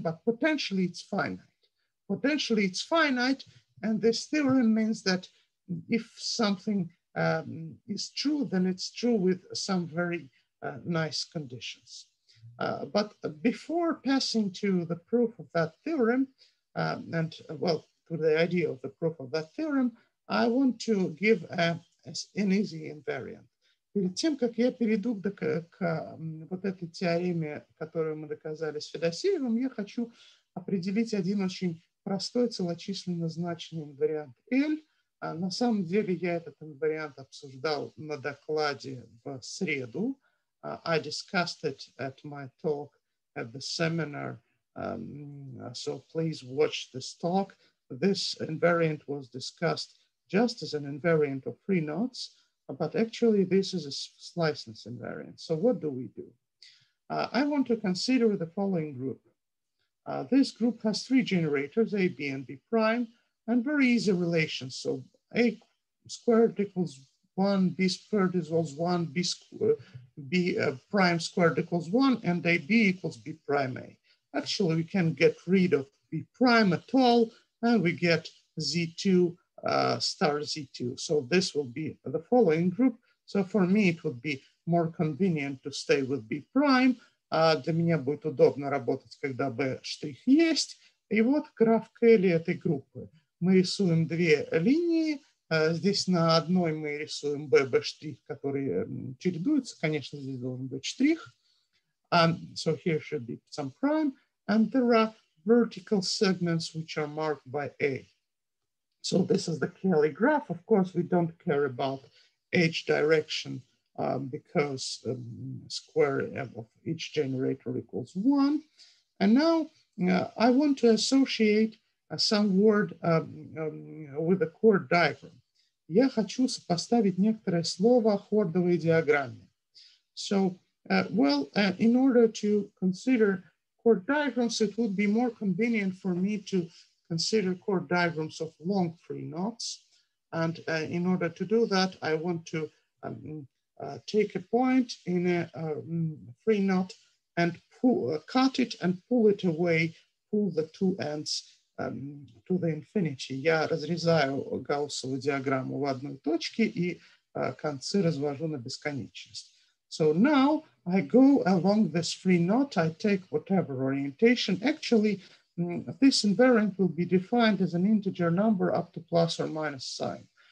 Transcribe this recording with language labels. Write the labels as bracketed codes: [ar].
[en] But potentially, it's fine. Potentially it's finite, and this theorem means that if something is true, then it's true with some very nice conditions. But before passing to the proof of that theorem, to the idea of the proof of that theorem, I want to give an easy invariant. [ru] Перед тем, как я перейду к вот этой теореме, которую мы доказали с Федосеевым, я хочу определить один очень простой целочисленно значимый инвариант L. На самом деле я этот инвариант обсуждал на докладе в среду. [en] I discussed it at my talk at the seminar. So please watch this talk. This invariant was discussed just as an invariant of free knots, but actually this is a sliceness invariant. So what do we do? I want to consider the following group. This group has three generators, A, B, and B prime, and very easy relations. So A squared equals one, B squared equals one, B prime squared equals one, and AB equals B prime A. Actually, we can get rid of B prime at all, and we get Z2 star Z2. So this will be the following group. So for me, it would be more convenient to stay with B prime, [ru] для меня будет удобно работать, когда B-штрих есть. И вот граф Келли этой группы. Мы рисуем две линии. Здесь на одной мы рисуем B-штрих, который чередуется. Конечно, здесь должен быть штрих. [en] So here should be some prime. And there are vertical segments which are marked by A. So this is the Kelly graph. Of course, we don't care about H direction because square of each generator equals one. And now I want to associate some word with a chord diagram. [ru] Я хочу сопоставить некоторое слово хордовой диаграмме. [en] So, in order to consider chord diagrams, it would be more convenient for me to consider chord diagrams of long free notes. And in order to do that, I want to take a point in a free note and cut it and pull it away, pull the two ends to the infinity. [ru] Я разрезаю Гауссову диаграмму в одной точке и концы развожу на бесконечность. [en] So now I go along this free note, I take whatever orientation. Actually, this invariant will be defined as an integer number up to plus or minus sign.